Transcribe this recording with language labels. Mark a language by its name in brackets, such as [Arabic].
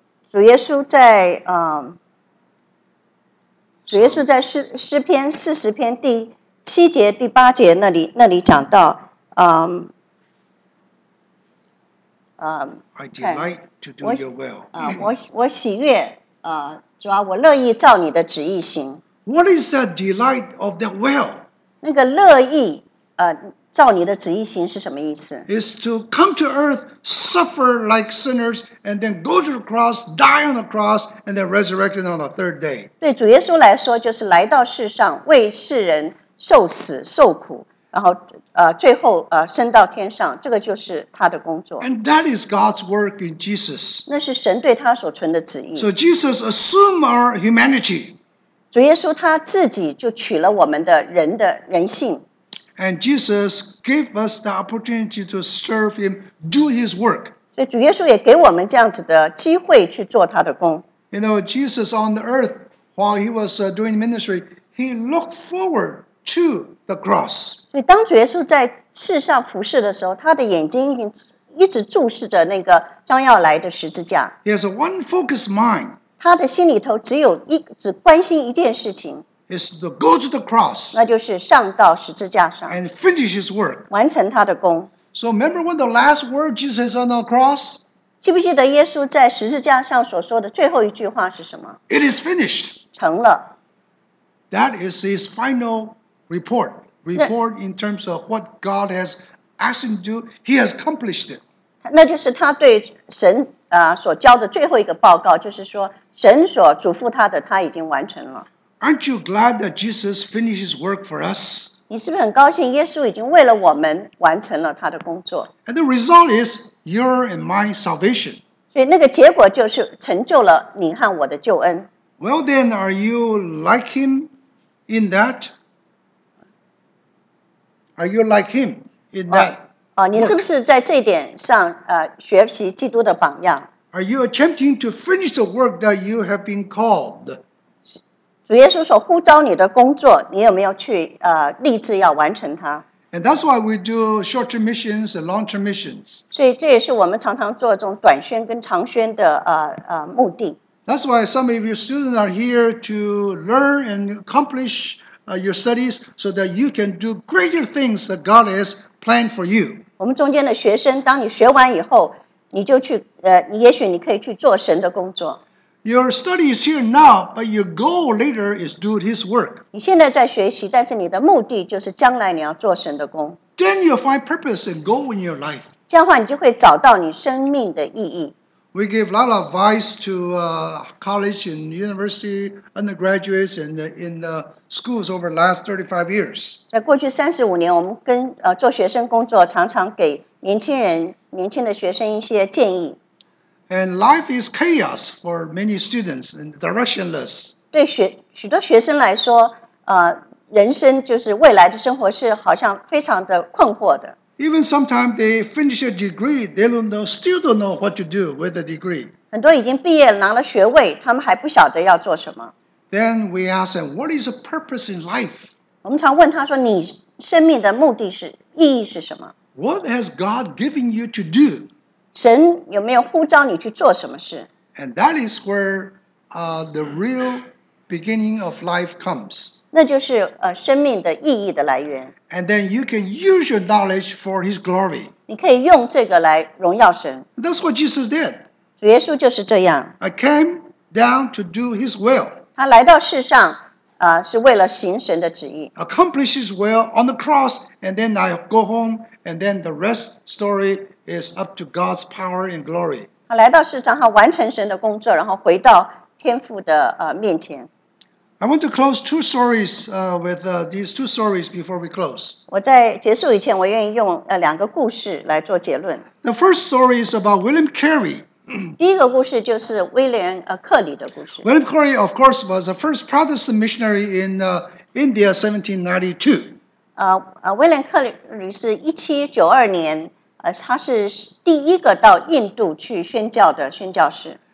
[Chinese] 主耶稣在诗篇40篇第七节第八节那里讲到 [English] I delight to do your will. [Chinese] 我喜悦主啊，我乐意照你的旨意行。 [English] What is the delight of that will? [Chinese] 那个乐意照你的旨意行是什么意思？ [English] Is to come to earth, suffer like sinners, and then go to the cross, die on the cross, and then resurrected on the third day. [Chinese] 对主耶稣来说，就是来到世上为世人受死受苦，然后最后升到天上，这个就是他的工作。 [English] And that is God's work in Jesus. [Chinese] 那是神对他所存的旨意。 [English] So Jesus assumed our humanity. [Chinese] 主耶稣他自己就取了我们的人性。 [English] And Jesus gave us the opportunity to serve him, do his work. [Chinese] 所以主耶稣也给我们这样子的机会去做他的工。 [English] You know, Jesus on the earth, while he was doing ministry, he looked forward. To the cross. [Chinese] 所以当主耶稣在世上服事的时候，他的眼睛一直注视着那个将要来的十字架。 [English] He has one focused mind. [Chinese] 他的心里头只关心一件事情。 [English] Is to go to the cross. [Chinese] 那就是上到十字架上。 [English] And finish his work. [Chinese] 完成他的工。 [English] So remember when the last word Jesus on the cross? [Chinese] 记不记得耶稣在十字架上所说的最后一句话是什么？ [English] It is finished. [Chinese] 成了。 [English] That is his final. Report in terms of what God has asked him to do, he has accomplished it. [Chinese] 那就是他对神所交的最后一个报告，就是说神所嘱咐他的，他已经完成了。 [English] Aren't you glad that Jesus finishes work for us? [Chinese] 你是不是很高兴耶稣已经为了我们完成了他的工作？ [English] And the result is your and my salvation. [Chinese] 所以那个结果就是成就了你和我的救恩。 [English] Well then, are you like him in that? Are you like him in that? [Chinese] 你是不是在这点上学习基督的榜样？ [English] Are you attempting to finish the work that you have been called? [Chinese] 主耶稣所呼召你的工作，你有没有去立志要完成它？ [English] And that's why we do short-term missions and long-term missions. [Chinese] 所以这也是我们常常做这种短宣跟长宣的目的。 [English] That's why some of your students are here to learn and accomplish. Your studies so that you can do greater things that God has planned for you. [Chinese] 我们中间的学生，当你学完以后，你就去也许你可以去做神的工作。 [English] Your study is here now, but your goal later is do His work. [Chinese] 你现在在学习，但是你的目的就是将来你要做神的工。 [English] Then you'll find purpose and goal in your life. [Chinese] 这样的话，你就会找到你生命的意义。 [English] We give a lot of advice to college and university undergraduates and in the schools over the last 35 years. [Chinese] 在过去35年，我们跟做学生工作，常常给年轻的学生一些建议。 [English] And life is chaos for many students and directionless. [Chinese] 对许多学生来说， 人生就是未来的生活是好像非常的困惑的。 [English] Even sometimes they finish a degree, they don't know, still don't know what to do with the degree. [Chinese] 很多已经毕业拿了学位， 他们还不晓得要做什么。 [English] Then we ask them, what is the purpose in life? [Chinese] 我们常问他说， 你生命的目的是意义是什么？ [English] What has God given you to do? [Chinese] 神有没有呼召你去做什么事？ [English] And that is where the real beginning of life comes. [Chinese] 那就是 生命的意义的来源。 [English] And then you can use your knowledge for His glory. [Chinese] 你可以用这个来荣耀神。 [English] That's what Jesus did. [Chinese] 主耶稣就是这样。 [English] I came down to do His will. [Chinese] 他来到世上， 是为了行神的旨意。 [English] Accomplish His will on the cross, and then I go home, and then the rest story is up to God's power and glory. [Chinese] 他来到世上， 他完成神的工作， 然后回到天父的, 面前。 [English] I want to close two stories with these two stories before we close. [Chinese] 我在结束以前， 我愿意用, 两个故事来做结论。 [English] The first story is about William Carey. [Chinese] 第一个故事就是威廉, Curry的故事。 [English] William Carey, of course, was the first Protestant missionary in India, 1792. [Chinese] William Curry 是1792年, 他是第一个到印度去宣教的宣教士。